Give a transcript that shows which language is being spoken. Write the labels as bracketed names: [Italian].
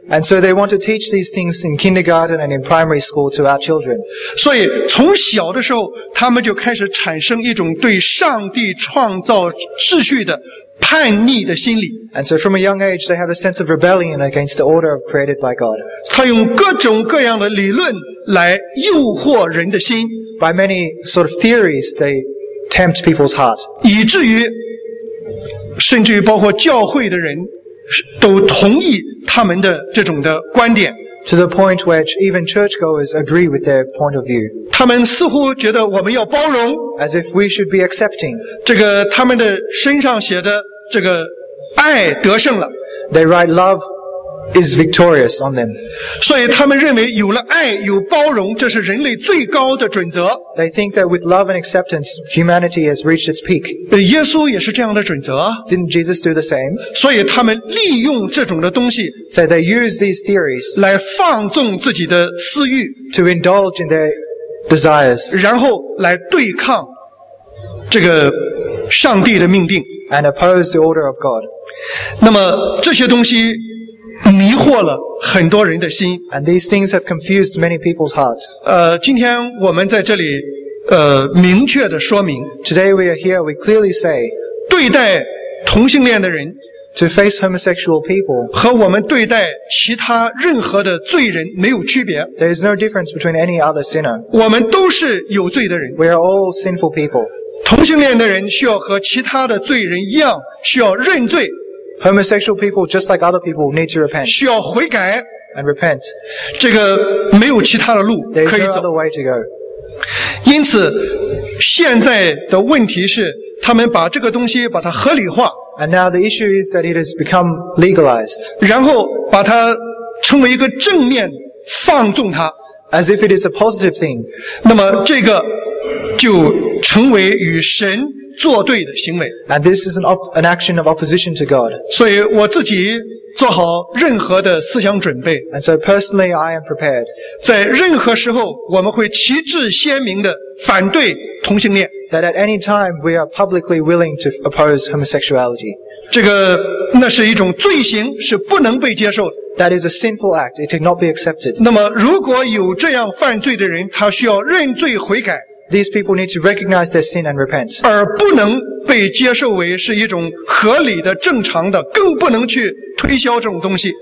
[English] And so they want to teach these things in kindergarten and in primary school to our children [Chinese] 所以从小的时候他们就开始产生一种对上帝创造秩序的叛逆的心理 [English] And so from a young age, they have a sense of rebellion against the order created by God. [Chinese] 他用各种各样的理论来诱惑人的心 [English] By many sort of theories, they tempt people's heart. [Chinese] 以至于甚至于包括教会的人都同意他们的这种的观点 [English] To the point which even churchgoers agree with their point of view. [Chinese] 他们似乎觉得我们要包容 [English] As if we should be accepting. [Chinese] 这个他们的身上写的这个爱得胜了 [English] They write love is victorious on them [Chinese] 所以他们认为有了爱有包容这是人类最高的准则 [English] They think that with love and acceptance humanity has reached its peak [Chinese] 耶稣也是这样的准则 [English] Didn't Jesus do the same [Chinese] 所以他们利用这种的东西 [English] So they use these theories [Chinese] 来放纵自己的私欲 [English] To indulge in their desires [Chinese] 然后来对抗这个上帝的命定 [English] and oppose the order of God [Chinese] 那么这些东西迷惑了很多人的心 [English] and these things have confused many people's hearts [Chinese] 今天我们在这里明确的说明 [English] today we are here we clearly say [Chinese] 对待同性恋的人 [English] to face homosexual people [Chinese] 和我们对待其他任何的罪人没有区别 [English] there is no difference between any other sinner [Chinese] 我们都是有罪的人 [English] we are all sinful people [Chinese] 同性恋的人需要和其他的罪人一样需要认罪 [English] Homosexual people, just like other people, need to repent. [Chinese] 需要悔改 [English] and repent. [Chinese] 这个没有其他的路可以走。 [English] There's no other way to go. [Chinese] 因此，现在的问题是，他们把这个东西把它合理化。 [English] And now the issue is that it has become legalized. [Chinese] 然后把它称为一个正面放纵它。 [English] As if it is a positive thing. [Chinese] 那么这个就成为与神作对的行为。 [English] And this is an action of opposition to God. [Chinese] 所以我自己做好任何的思想准备。 [English] And so personally, I am prepared. [Chinese] 在任何时候，我们会旗帜鲜明地反对同性恋。 [English] That at any time, we are publicly willing to oppose homosexuality. [Chinese] 这个那是一种罪行，是不能被接受的。 [English] That is a sinful act. It cannot be accepted. [Chinese] 那么如果有这样犯罪的人，他需要认罪悔改。 [English] These people need to recognize their sin and repent. [Chinese] 而不能被接受为是一种合理的、正常的，更不能去推销这种东西。